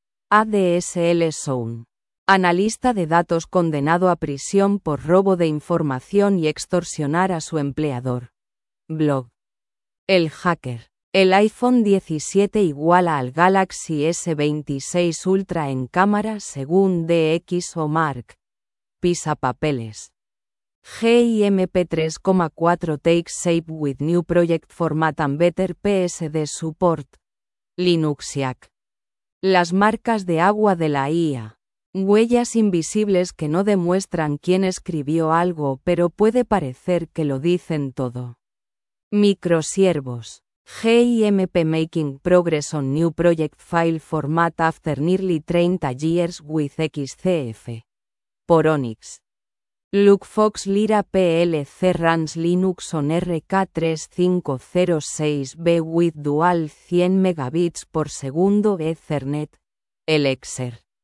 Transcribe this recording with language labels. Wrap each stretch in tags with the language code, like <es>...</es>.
<es>ADSL Sound. Analista de datos condenado a prisión por robo de información y extorsionar a su empleador. Blog. El hacker. El iPhone 17 iguala al Galaxy S26 Ultra en cámara según DxOMark. Pisa papeles.</es> <en>GIMP3.4 takes shape with new project format and better PSD support. Linuxiac.</en> <es>Las marcas de agua de la IA. Huellas invisibles que no demuestran quién escribió algo, pero puede parecer que lo dicen todo. Microsiervos.</es> <en>GIMP making progress on new project file format after nearly 30 years with XCF. Por Onyx. Lucfox Lyra PLC runs Linux on RK3506B with dual 100 megabits per segundo Ethernet. Elixir.</en>